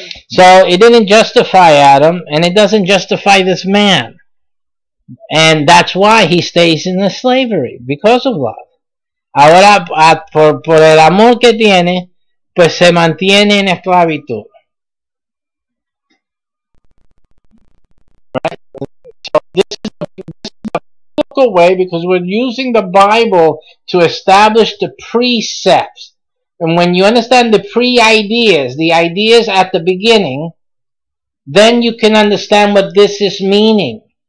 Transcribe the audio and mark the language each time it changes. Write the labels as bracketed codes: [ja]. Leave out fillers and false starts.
[en] So it didn't justify Adam, and it doesn't justify this man. And that's why he stays in the slavery, because of love. [es] Ahora, por el amor que tiene, pues se mantiene en esclavitud. [en] Right? So this is a biblical way, because we're using the Bible to establish the precepts. And when you understand the pre-ideas, the ideas at the beginning, then you can understand what this is meaning.